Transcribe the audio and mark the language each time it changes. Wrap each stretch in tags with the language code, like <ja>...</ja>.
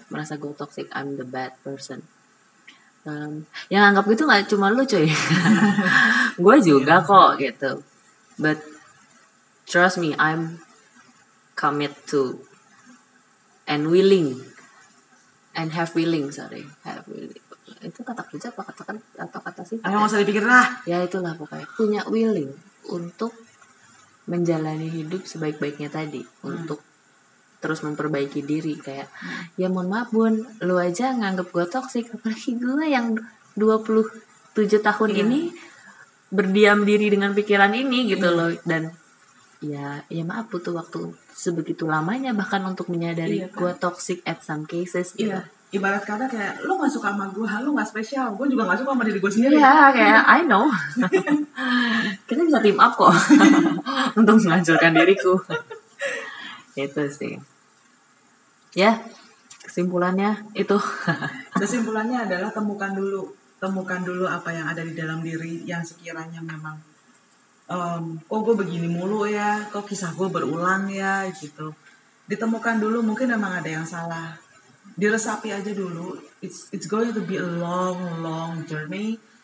<id>Merasa gue toxic,</id> <en>I'm the bad person.</en> <id>Yang anggap gitu gak cuma lu, cuy. Gue juga kok, gitu.</id> <en>But trust me, I'm commit to and willing. And have willing, sorry, have willing.</en> <id>Itu kata kerja apa kata kan atau kata sih? Ayo, nggak usah dipikir lah. Ya itulah pokoknya, punya willing untuk menjalani hidup sebaik-baiknya tadi, untuk terus memperbaiki diri. Kayak, ya mohon maaf bun, lu aja nganggep gue toksik, apalagi gue yang 27 tahun ini berdiam diri dengan pikiran ini gitu loh. Dan ya maaf butuh waktu sebegitu lamanya bahkan untuk menyadari gue toxic</id> <en>at some cases.</en> <id>Iya, gitu. Ibarat kata kayak lo gak suka sama gue, lo gak spesial, gue juga gak suka sama diri gue sendiri. Iya, kayak</id> <en>I know.</en> <id>Kita bisa team up kok untuk menghancurkan diriku. Itu sih. Ya, kesimpulannya itu. Kesimpulannya adalah temukan dulu apa yang ada di dalam diri yang sekiranya memang, kok gue begini mulu ya, kok kisah gue berulang ya, gitu. Ditemukan dulu, mungkin emang ada yang salah. Diresapi aja dulu.</id> <en>It's going to be a long, long journey.</en>